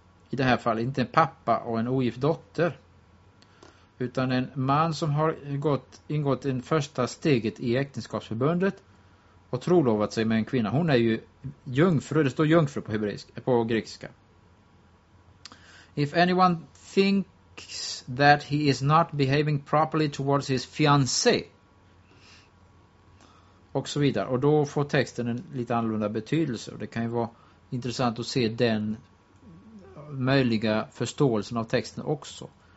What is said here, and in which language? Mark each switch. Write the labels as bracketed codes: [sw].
[sv] I det här fallet inte en pappa och en ogift dotter, utan en man som har ingått i första steget i äktenskapsförbundet och trolovat sig med en kvinna. Hon är ju jungfru, det står jungfru på hebreiska, på grekiska. [en] If anyone thinks that he is not behaving properly towards his fiancé, [sv] och så vidare. Och då får texten en lite annorlunda betydelse. Och det kan ju vara intressant att se den möjliga förståelsen av texten också.